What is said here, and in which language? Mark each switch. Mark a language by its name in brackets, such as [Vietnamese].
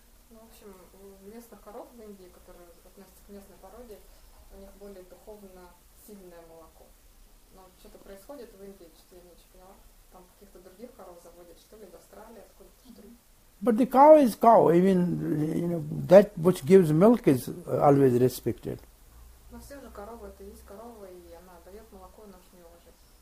[Russian] Ну, в общем, у местных коров в Индии, которые относятся к местной породе, у них более духовно сильное молоко. Но что-то происходит в Индии, что я ничего не поняла. Там каких-то других коров заводят, что ли, в Австралии, откуда-то что-то. [English] But the cow is cow. I mean, you know, that which gives milk is always respected. [Russian] Но все же корова, это есть корова, и она дает молоко, но ж не уважает.